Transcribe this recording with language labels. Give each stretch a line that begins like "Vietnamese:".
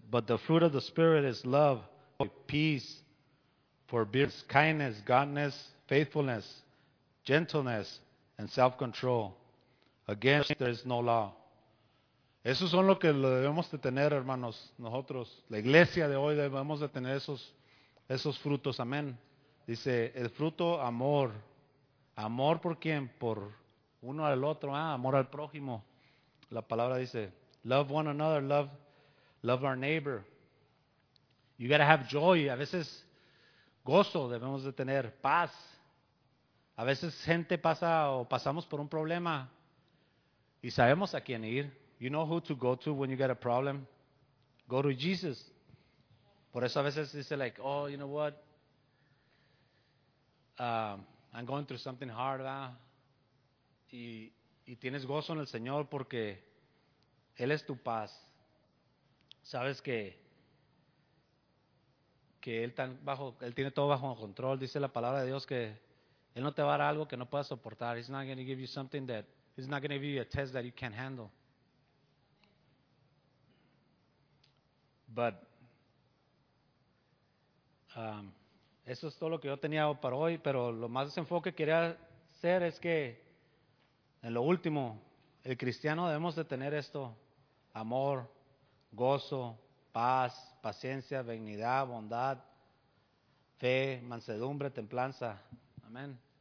English: but the fruit of the Spirit is love, peace, forbearance, kindness, goodness, faithfulness, gentleness, and self-control. Against there is no law.
Spanish: Esos son lo que debemos de tener, hermanos, nosotros. La iglesia de hoy debemos de tener esos frutos, amén. Dice, el fruto, amor. ¿Amor por quién? uno al otro, amor al prójimo. La palabra dice,
English: love one another, love our neighbor. You gotta have joy.
Spanish: A veces gozo debemos de tener, paz. A veces gente pasa o pasamos por un problema y sabemos a quién ir.
English: You know who to go to when you got a problem? Go to Jesus.
Spanish: Por eso a veces dice
English: like, oh, you know what? I'm going through something hard, ¿verdad?
Spanish: Y tienes gozo en el Señor porque Él es tu paz. Sabes que Él, Él tiene todo bajo control. Dice la palabra de Dios que Él no te va a dar algo que no puedas soportar.
English: He's not going to give you something that, He's not going to give you a test that you can't handle.
Spanish: But, eso es todo lo que yo tenía para hoy, pero lo más desenfoque que quería hacer es que, en lo último, el cristiano debemos de tener esto, amor, gozo, paz, paciencia, benignidad, bondad, fe, mansedumbre, templanza, amén.